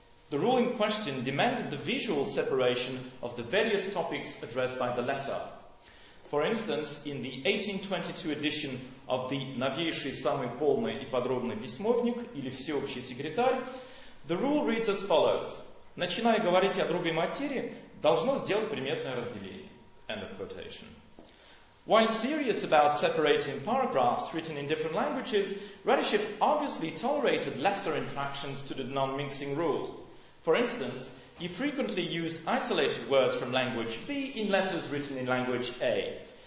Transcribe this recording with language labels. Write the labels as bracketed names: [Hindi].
[English] The rule in question demanded the visual separation of the various topics addressed by the letter. For instance, in the 1822 edition of the [Russian] «Новейший самый полный и подробный письмовник» или «Всеобщий секретарь», [English] the rule reads as follows. [Russian] «Начиная говорить о другой материи, должно сделать приметное разделение». [English] End of quotation. While serious about separating paragraphs written in different languages, Radishev obviously tolerated lesser infractions to the non-mixing rule. For instance, he frequently used isolated words from language B in letters written in language A.